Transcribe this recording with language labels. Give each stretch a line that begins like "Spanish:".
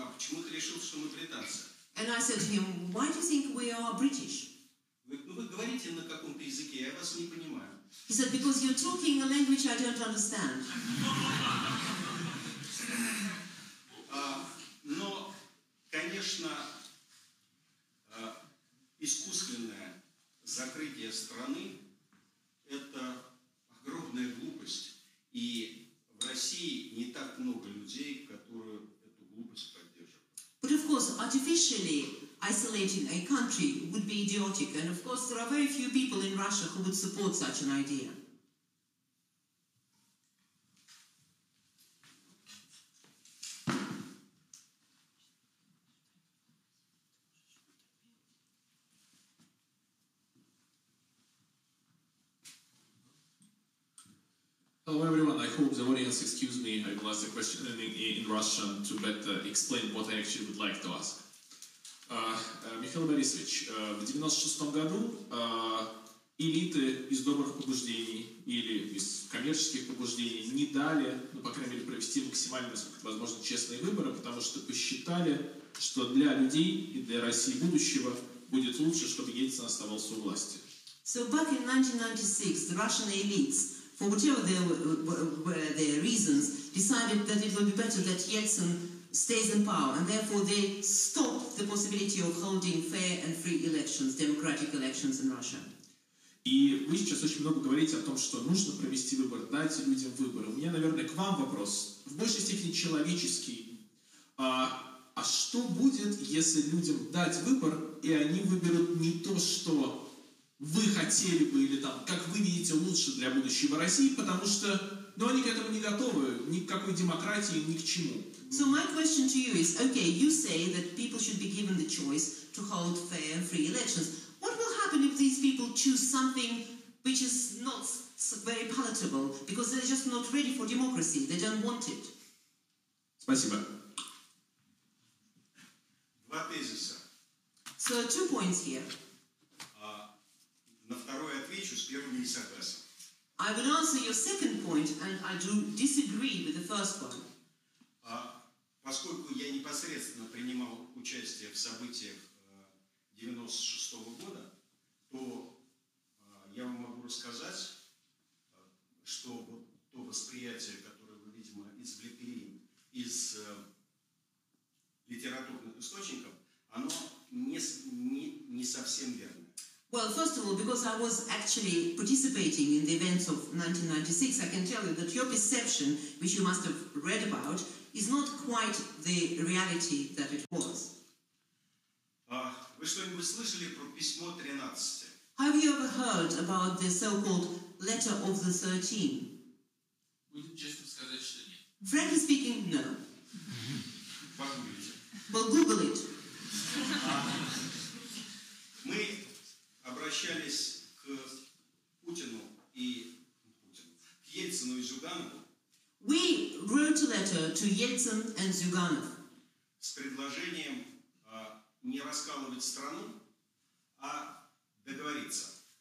English: And I said to him, why do you think we are British? He said, because you're talking a language I don't understand.
Russian: Но, конечно, искусственное закрытие страны – это огромная глупость. И в России не так много людей, которые эту глупость поддерживают.
English: But of course, artificially isolating a country would be idiotic. And of course, there are very few people in Russia who would support such an idea. Hello everyone, I hope the audience excuse me, I will ask the question in Russian to better explain what I actually would like to ask.
Russian: Mikhail Borisovich, в 96 году элиты из добрых побуждений или из коммерческих побуждений не дали, ну, по крайней мере, провести максимально, насколько это возможно, честные выборы, потому что посчитали, что для людей и для России будущего будет лучше, чтобы Ельцин оставался у власти.
English: So back in 1996, the Russian elites, for whatever they were their reasons, decided that it would be better that Yeltsin stays in power, and therefore they stopped the possibility of holding fair and free elections, democratic elections in Russia.
Russian: И вы сейчас очень много говорите о том, что нужно провести выборы, дать людям выборы. У меня, наверное, к вам вопрос, в большей степени человеческий. А что будет, если людям дать выбор, и они выберут не то, что вы хотели бы, или там, как вы видите лучше для будущего России, потому что, ну, они к этому не готовы, ни к какой демократии, ни к чему.
English: So my question to you is, okay, you say that people should be given the choice to hold fair and free elections. What will happen if these people choose something which is not very palatable, because they're just not ready for democracy, they don't want it?
Russian: Спасибо. Два тезиса.
English: So two points here.
Russian: На второе отвечу, с первым не согласен.
English: I will answer your second point, and I do disagree with the first one.
Russian: Поскольку я непосредственно принимал участие в событиях 96-го года, то я вам могу рассказать, что вот то восприятие, которое вы, видимо, извлекли из литературных источников, оно не совсем верно.
English: Well, first of all, because I was actually participating in the events of 1996, I can tell you that your perception, which you must have read about, is not quite the reality that it was.
Russian: Вы что-нибудь слышали про письмо 13?
English: Have you ever heard about the so-called letter of the 13?
Russian: Будем честно сказать, что нет.
English: Frankly speaking, no.
Russian: Погуглите.
English: Well, Google it.
Russian: Мы обращались к Путину и к Ельцину и Зюганову.
English: We wrote a letter to Yeltsin and Zyuganov.
Russian: С предложением не раскалывать страну, а договориться.